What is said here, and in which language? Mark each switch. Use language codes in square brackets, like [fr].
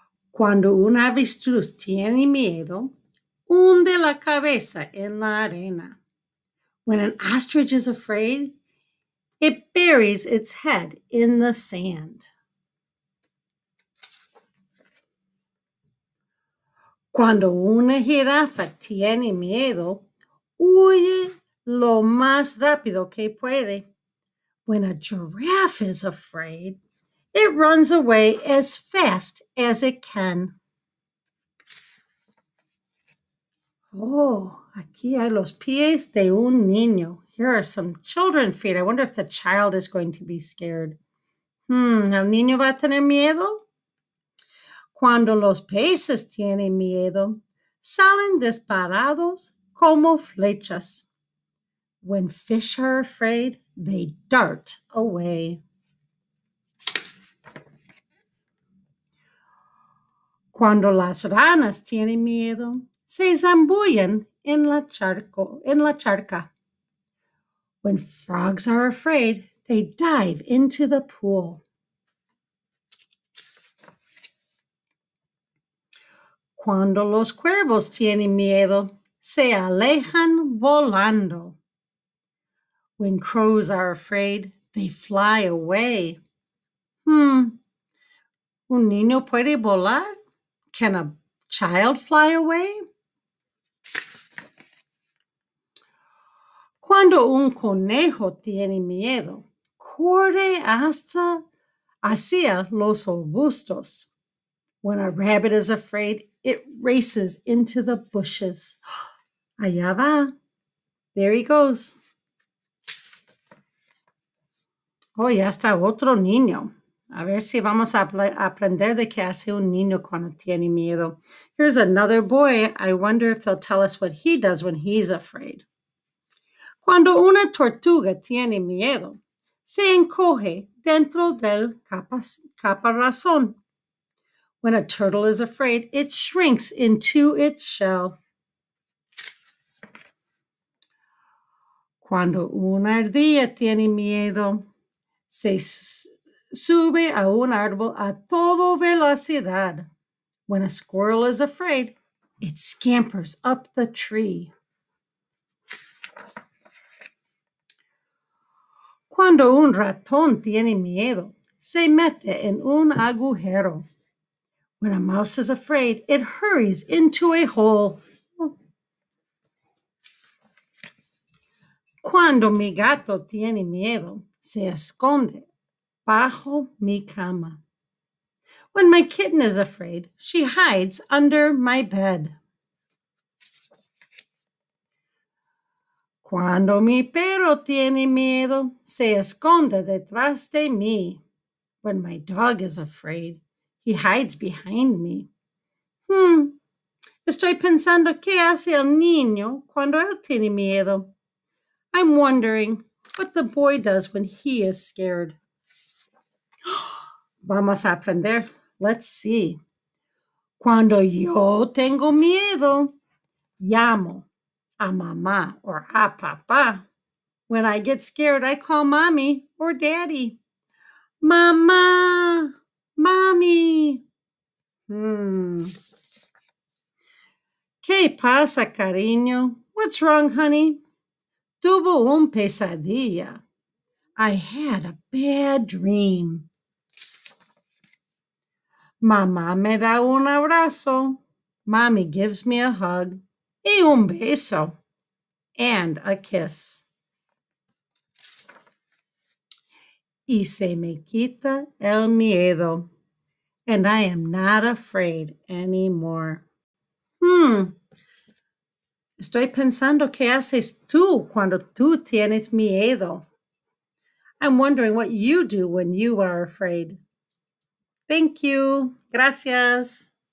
[es] Cuando un avestruz tiene miedo, hunde la cabeza en la arena. [en] When an ostrich is afraid, it buries its head in the sand. [es] Cuando una jirafa tiene miedo, huye lo más rápido que puede. [en] When a giraffe is afraid, it runs away as fast as it can. [es] Oh, aquí hay los pies de un niño. [en] Here are some children feet. I wonder if the child is going to be scared. [es] ¿El niño va a tener miedo? Cuando los peces tienen miedo, salen disparados como flechas. [en] When fish are afraid, they dart away. [es] Cuando las ranas tienen miedo, se zambullen en la charca. [en] When frogs are afraid, they dive into the pool. [es] Cuando los cuervos tienen miedo, se alejan volando. [en] When crows are afraid, they fly away. [es] ¿Un niño puede volar? [en] Can a child fly away? [es] Cuando un conejo tiene miedo, corre hacia los arbustos. [en] When a rabbit is afraid, it races into the bushes. [es] Allá va. [en] There he goes. [es] Oh, ya está otro niño. A ver si vamos a aprender de qué hace un niño cuando tiene miedo. [en] Here's another boy. I wonder if they'll tell us what he does when he's afraid. [es] Cuando una tortuga tiene miedo, se encoge dentro del caparazón. [en] When a turtle is afraid, it shrinks into its shell. [es] Cuando una ardilla tiene miedo, se sube a un árbol a toda velocidad. [en] When a squirrel is afraid, it scampers up the tree. [es] Cuando un ratón tiene miedo, se mete en un agujero. [en] When a mouse is afraid, it hurries into a hole. [es] Cuando mi gato tiene miedo, se esconde bajo mi cama. [en] When my kitten is afraid, she hides under my bed. [es] Cuando mi perro tiene miedo, se esconde detrás de mí. [en] When my dog is afraid, he hides behind me. [es] Estoy pensando, ¿qué hace el niño cuando él tiene miedo? [en] I'm wondering what the boy does when he is scared. [es] Vamos a aprender. [en] Let's see. [es] Cuando yo tengo miedo, llamo a mamá or a papá. [en] When I get scared, I call mommy or daddy. [es] Mamá. [en] Mommy. [es] ¿Qué pasa, cariño? [en] What's wrong, honey? [es] Tuvo un pesadilla. [en] I had a bad dream. [es] Mamá me da un abrazo. [en] Mommy gives me a hug. [es] Y un beso. [en] And a kiss. [es] Y se me quita el miedo. [en] And I am not afraid anymore. [es] Estoy pensando qué haces tú cuando tú tienes miedo. [en] I'm wondering what you do when you are afraid. Thank you. [es] Gracias.